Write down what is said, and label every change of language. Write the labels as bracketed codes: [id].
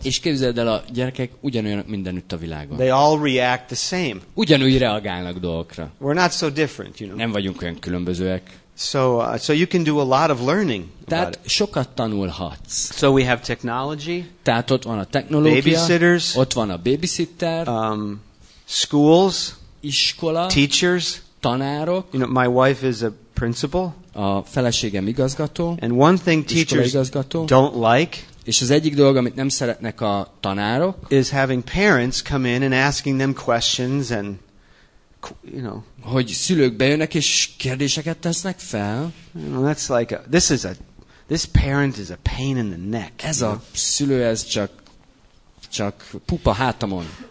[hu] És képzeld el, a gyerekek ugyanolyanak mindenütt a világon. [en] They all react the same. [hu] Ugyanúgy reagálnak dolgokra. [en] We're not so different, you know. [hu] Nem vagyunk olyan különbözőek. [en] So you can do a lot of learning. [hu] Tehát sokat tanulhatsz. [en] So we have technology. [hu] Tehát ott van a technológia. [en] Babysitters. [hu] Ott van a babysitter. [en] Schools. [hu] Iskola, [en] teachers, [hu] tanárok. [en] You know, my wife is a principal. [hu] A feleségem igazgató. [en] And one thing teachers don't like. [hu] És az egyik dolog, amit nem szeretnek a tanárok. [en] Is having parents come in and asking them questions and, you know. [hu] Hogy szülők bejönnek és kérdéseket tesznek fel. [en] You know, that's like this parent is a pain in the neck. [hu] Ez a szülő ez csak pupa hátamon.